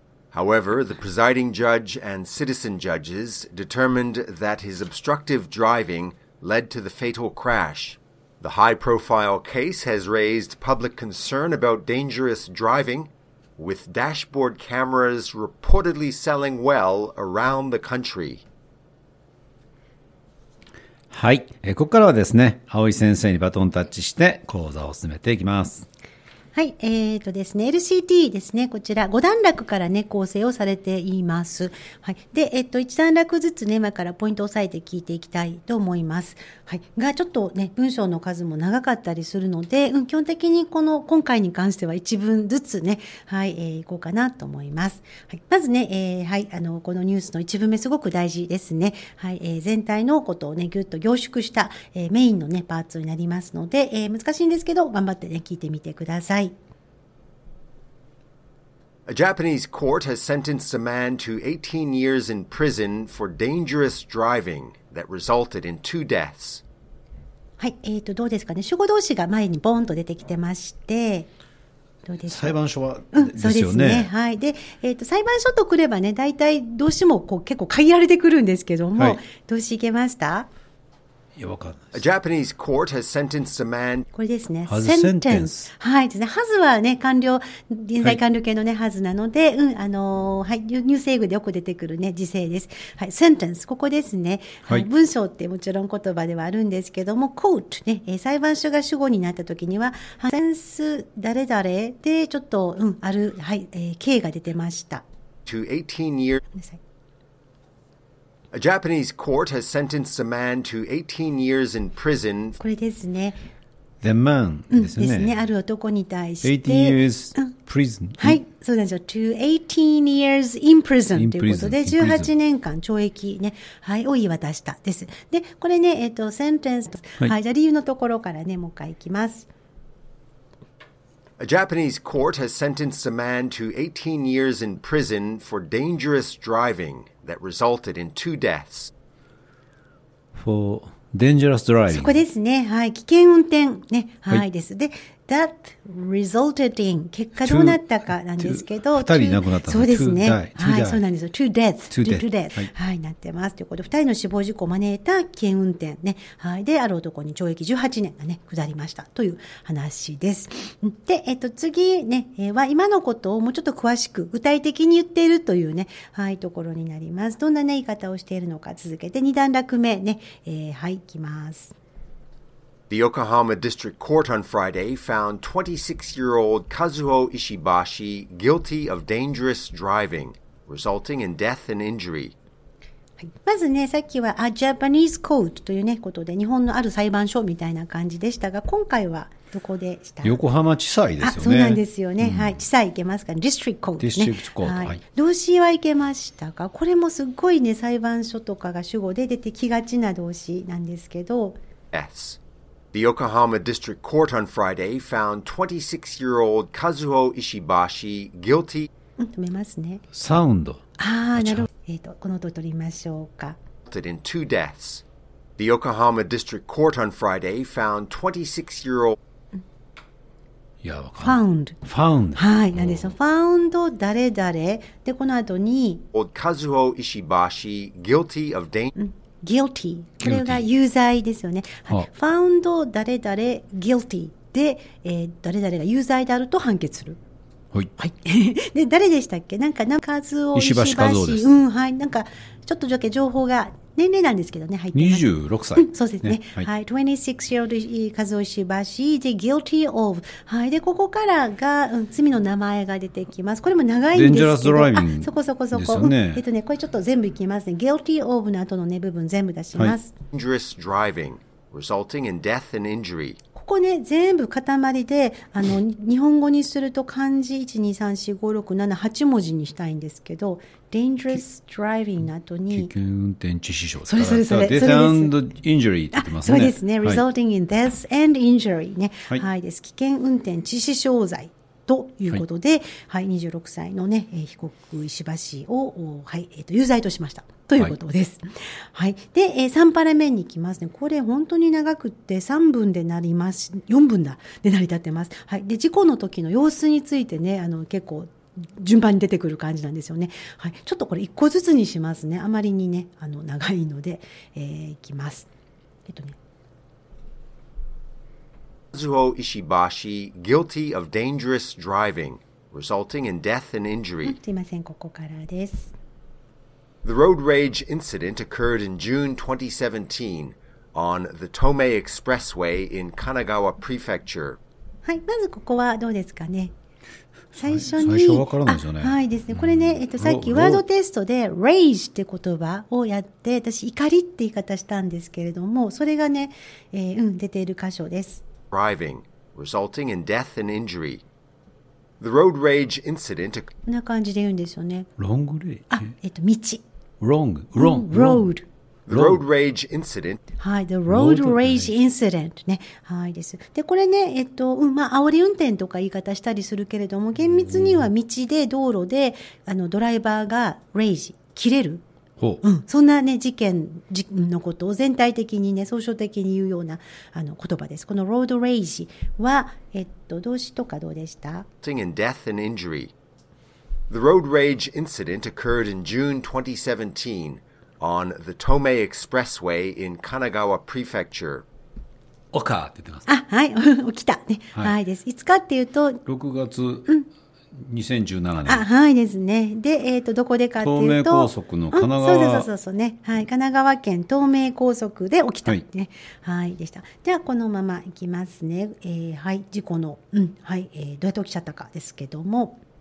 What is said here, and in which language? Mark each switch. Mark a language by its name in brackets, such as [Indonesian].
[English] However, the presiding judge and citizen judges determined that his obstructive driving led to the fatal crash. The high-profile case has raised public concern about dangerous driving,with dashboard cameras reportedly selling well around the country. [Japanese] はい、ここからはですね、青井先生にバトンタッチして講座を進めていきます。はい、ですね、LCT ですね、こちら5段落からね、構成をされています。はい。で、1段落ずつね、今からポイントを押さえて聞いていきたいと思います。はい。が、ちょっとね、文章の数も長かったりするので、うん、基本的にこの、今回に関しては1文ずつね、はい、いこうかなと思います。はい。まずね、はい、このニュースの1文目すごく大事ですね。はい、全体のことをね、ぎゅっと凝縮した、メインのね、パーツになりますので、難しいんですけど、頑張ってね、聞いてみてください。 [English] A Japanese court has sentenced a man to 18 years in prison for dangerous driving that resulted in two deaths. [Japanese] はい、どうですかね。主語動詞が前にボーンと出てきてまして、どうですか。裁判所は、うん、そうですね。はい。で、裁判所とくればね、大体動詞もこう結構限られてくるんですけども、はい、動詞いけました。いや、わかんないです。 [English] A Japanese court has sentenced a man. [Japanese] これですね。 [English] has sentence. [Japanese] はい。ですね。 has はね、完了、現在完了形のね、has なので、うん、はい。ニュース英語でよく出てくるね、時制です。はい。 sentence、ここですね。はい。文章ってもちろん言葉ではあるんですけども、court ね、裁判所が主語になった時には、sense 誰々で、ちょっと、うん、ある、はい、形が出てました。 [English] to 18 years. [Japanese] ごめんなさい。 [English] A Japanese court has sentenced a man to 18 years in prison. [Japanese] これですね。 [English] The man ですね。 [Japanese] うん、ですね。ある男に対して。 [English] 18 years prison. [Japanese] はい。そうなんですよ。 [English] to 18 years in prison [Japanese] ということで、18年間懲役ね、はい、を言い渡したです。で、これね、sentence と、はい、じゃ理由のところからね、もう一回いきます。 [English] A Japanese court has sentenced a man to 18 years in prison for dangerous driving that resulted in two deaths. For dangerous driving. [Japanese] そこですね。はい。危険運転。ね。はい。はい、です。で、 [English] that resulted in. [Japanese] 結果どうなったかなんですけど。二人亡くなったんですね。そうですね。はい。そうなんですよ。 [English] two deaths. two deaths. [Japanese] はい。なってます。ということで、二人の死亡事故を招いた危険運転。ね。はい。で、ある男に懲役18年がね、下りました。という話です。で、次ね、は今のことをもうちょっと詳しく、具体的に言っているというね、はい、ところになります。どんなね、言い方をしているのか続けて、二段落目ね。はい、いきます。 [English] The Yokohama District Court on Friday found 26-year-old Kazuo Ishibashi guilty of dangerous driving, resulting in death and injury. [Japanese] まずね、さっきは [English] A Japanese Court [Japanese] というね、ことで日本のある裁判所みたいな感じでしたが、今回はどこでした？横浜地裁ですよね。あ、そうなんですよね、うん、はい、地裁行けますかね、ディスティックコート、ね、ディスティックコート、はい、動詞は行けましたか。これもすっごいね、裁判所とかが主語で出てきがちな動詞なんですけど、 [English] Yes, the Yokohama District Court on Friday found 26-year-old Kazuo Ishibashi guilty、 [Japanese] うん、止めますね。サウンド、ああ、なるほど、この音取りましょうか。 [English] In two deaths. The Yokohama District Court on Friday found 26-year-old. [Japanese] いや、 [English] found. Found. [Japanese] はい、なんでしょう。 Found 誰誰で、この後に。 [English] Old Kazuo Ishibashi guilty of [Japanese] guilty. これが有罪ですよね。はい、found 誰誰 guilty で、誰誰が有罪であると判決する。はい。はい、で、誰でしたっけ、なんか、 Kazuo Ishibashi。 Kazuo です。うん、はい。なんか、ちょっとだけ情報が、年齢なんですけどね、入ってます。 26歳。そうですね。ね、はい。 [English] 26-year-old Kazuo Ishibashi, the guilty of. [Japanese] はい。で、ここからが、うん、罪の名前が出てきます。これも長いんですけど。 [English] Dangerous driving。 [Japanese] そこそこそこ。ですよね、うん、ね、これちょっと全部いきますね。guilty of の後のね、部分全部出します。 [English] はい、Dangerous driving, resulting in death and injury。 [Japanese] ここね、全部塊で、日本語にすると漢字1、2、3、4、5、6、7、8文字にしたいんですけど、Dangerous Driving の後に、危険運転致死傷。それそれそれ。 [English] Death and Injury [Japanese] って言ってますね。そうですね。 [English] Resulting in Death and Injury [Japanese] ね、はい。はいです。危険運転致死傷罪ということで、はい、はい、26歳のね、被告、石橋を、はい、有罪としました。ということです、はいはい、で3パラ目に行きますね。これ本当に長くって3分でなります、4分だで成り立ってます、はい、で事故の時の様子についてね、結構順番に出てくる感じなんですよね、はい、ちょっとこれ1個ずつにしますね、あまりにね、長いので、いきます。 [English] Kazuo Ishibashi guilty of dangerous driving resulting in death and injury。 [Japanese] すいません、ここからです。 [English] The road rage incident occurred in June 2017 on the Tomei Expressway in Kanagawa Prefecture. [Japanese] はい、まずここはどうですかね。最初に、最初わからないですよね。はいですね。これね、さっきワードテストで rage って言葉をやって、私怒りって言い方したんですけれども、それがね、うん、出ている箇所です。 [English] Driving, resulting in death and injury. The road rage incident. [Japanese] こんな感じで言うんですよね。 [English] Long rage. [Japanese] あ、道。 [English] Wrong. Wrong. Road. The road rage incident. [Japanese] はい、the road rage incident ね、はいです。で、これね、うん、まあ煽り運転とか言い方したりするけれども、厳密には道で道路でドライバーがrage切れる。ほう。うん、そんなね事件のことを全体的にね、総称的に言うような言葉です。この road rage は動詞とかどうでした？ [English] Resulting in death and injury. The road rage incident occurred in June 2017 on the Tomei Expressway in Kanagawa Prefecture. [Japanese] おかって言ってます。あ、はい、起きたね、はい。はいです。いつかっていうと 6月。うん。 2017年。あ、はいですね。で、どこでかっていうと、東名高速の神奈川、うん、そうね、はい、神奈川県東名高速で起きたね、はい、はい、でした。じゃあこのままいきますね、はい、事故の、うん、はい、どうやって起きちゃったかですけども、